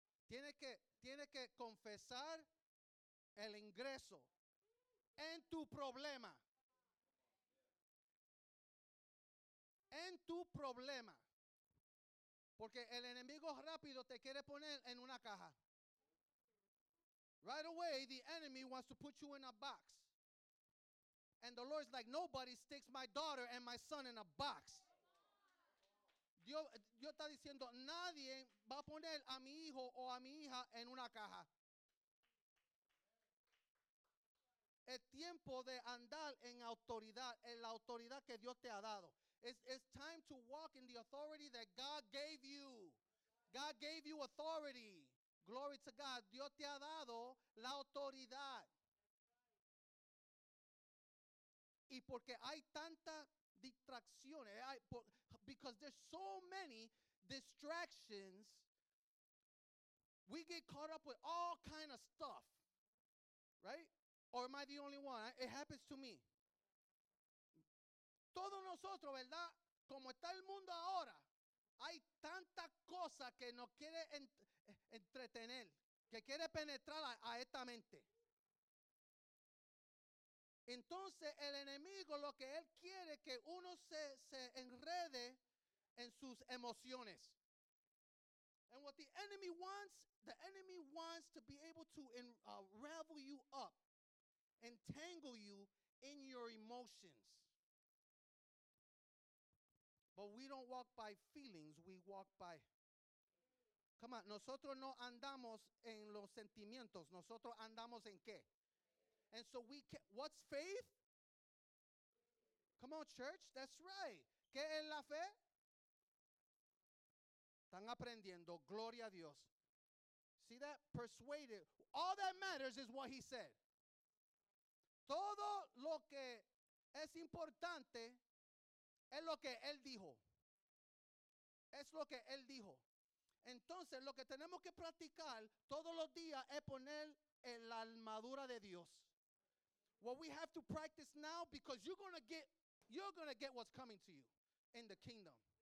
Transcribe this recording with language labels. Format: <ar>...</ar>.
<es>Tiene que confesar el ingreso en tu problema. En tu problema. Porque el enemigo rápido te quiere poner en una caja.</es> <en>Right away, the enemy wants to put you in a box. And the Lord's like, nobody sticks my daughter and my son in a box.</en> <es>Dios está diciendo, nadie va a poner a mi hijo o a mi hija en una caja. Es tiempo de andar en la autoridad que Dios te ha dado.</es> <en>It's time to walk in the authority that God gave you. God gave you authority. Glory to God.</en> <es>Dios te ha dado la autoridad. Y porque hay tanta distracción,</es> <en>because there's so many distractions, we get caught up with all kind of stuff. Right? Or am I the only one? It happens to me.</en> <es>Todos nosotros, ¿verdad? Como está el mundo ahora, hay tanta cosa que nos quiere entretener, que quiere penetrar a esta mente. Entonces, el enemigo, lo que él quiere, que uno se enrede en sus emociones.</es> <en>And what the enemy wants to be able to unravel you up, entangle you in your emotions. But we don't walk by feelings, we walk by. Come on,</en> <es>nosotros no andamos en los sentimientos, nosotros andamos en qué?</es> <en>And so we can, what's faith? Come on, church, that's right.</en> <es>¿Qué es la fe? Están aprendiendo, gloria a Dios.</es> <en>See that? Persuaded. All that matters is what he said.</en> <es>Todo lo que es importante es lo que él dijo. Es lo que él dijo. Entonces, lo que tenemos que practicar todos los días es poner la armadura de Dios.</es> <en>What we have to practice now, because you're going to get what's coming to you in the kingdom.</en>